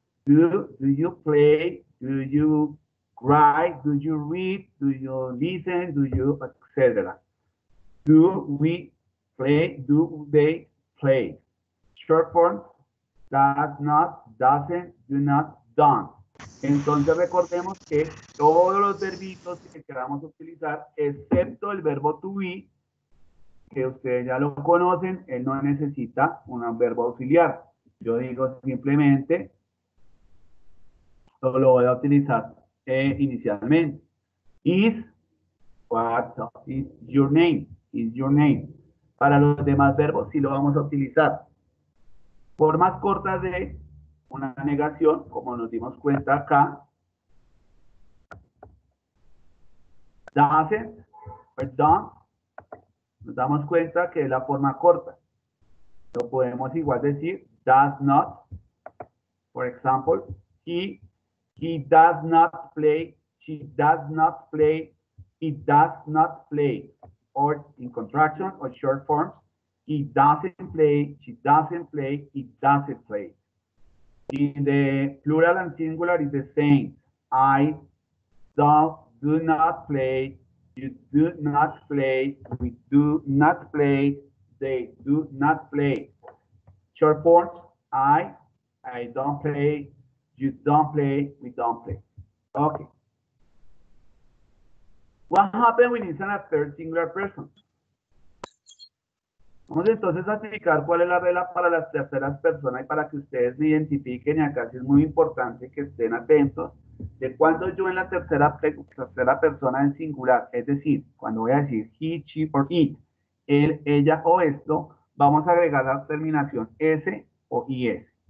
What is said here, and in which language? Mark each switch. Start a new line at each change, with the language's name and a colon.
English: Do you play, do you write, do you read, do you listen, do you, etc. Do we play, do they play. Short form, does not, doesn't, do not, done.
Spanish: Entonces recordemos que todos los verbitos que queramos utilizar, excepto el verbo to be, que ustedes ya lo conocen, él no necesita un verbo auxiliar. Yo digo simplemente, solo voy a utilizar inicialmente.
English: Is, what is your name? Is your name.
Spanish: Para los demás verbos sí lo vamos a utilizar. Formas cortas de una negación, como nos dimos cuenta acá.
English: Doesn't,
Spanish: perdón. Nos damos cuenta que es la forma corta. Lo podemos igual decir,
English: does not.
Spanish: Por ejemplo,
English: he does not play, she does not play, he does not play. O in contraction or short forms, he doesn't play, she doesn't play, he doesn't play. In the plural and singular is the same. I do not play. You do not play, we do not play, they do not play. Short forms, I don't play, you don't play, we don't play. Okay. What happened when it's in a third singular person?
Spanish: Vamos entonces a explicar cuál es la regla para las terceras personas y para que ustedes me identifiquen, y acá sí es muy importante que estén atentos. De cuando yo en la tercera persona en singular, es decir, cuando voy a decir
English: he, she, or it,
Spanish: él, ella o esto, vamos a agregar la terminación s o is.